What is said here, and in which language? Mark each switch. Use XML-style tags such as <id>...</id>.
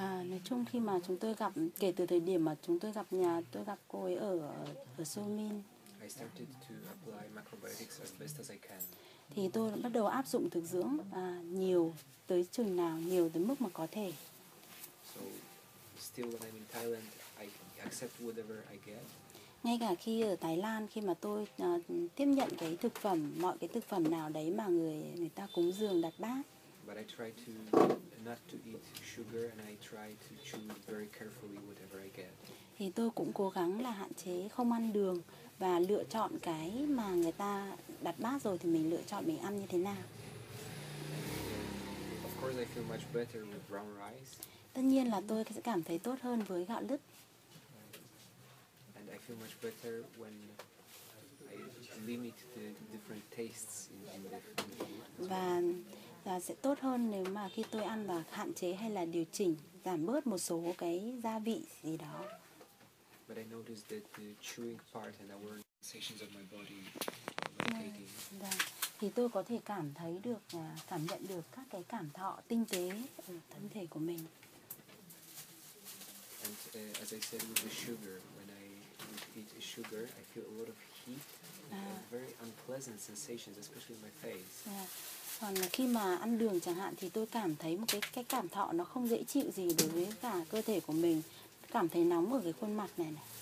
<vi>Nói chung khi mà chúng tôi gặp, kể từ thời điểm mà chúng tôi gặp nhà, tôi gặp cô ấy ở Shuomen.</vi> <en>I started to apply macrobiotics as best as I can.</en> <vi>Thì tôi bắt đầu áp dụng thực dưỡng nhiều tới chừng nào, nhiều tới mức mà có thể.</vi> <en>So, still when I'm in Thailand, I accept whatever I get.</en> <vi>Ngay cả khi ở Thái Lan, khi mà tôi tiếp nhận cái thực phẩm, mọi cái thực phẩm nào đấy mà người ta cúng dường đặt bát.</vi> <en>But I try to not to eat sugar and I try to chew very carefully whatever I get.</en> <vi>Thì tôi cũng cố gắng là hạn chế không ăn đường và lựa chọn cái mà người ta đặt bát rồi thì mình lựa chọn mình ăn như thế nào.</vi> <en>Of course I feel much better with brown rice.</en> <vi>Tất nhiên là tôi sẽ cảm thấy tốt hơn với gạo lứt.</vi> <en>And I feel much better when I limit the different tastes in the food.</en> <vi>Và sẽ tốt hơn nếu mà khi tôi ăn và hạn chế hay là điều chỉnh, giảm bớt một số cái gia vị gì đó.</vi> <en>But I noticed that the chewing part and our sensations of my body locating.</en> <vi>Thì tôi có thể cảm thấy được, cảm nhận được các cái cảm thọ tinh tế ở thân thể của mình.</vi> <en>And as I said with the sugar, when I eat sugar, I feel a lot of heat and very unpleasant sensations, especially in my face.</en> <vi>Còn khi mà ăn đường chẳng hạn thì tôi cảm thấy một cái cảm thọ nó không dễ chịu gì đối với cả cơ thể của mình. Cảm thấy nóng ở cái khuôn mặt này.</vi>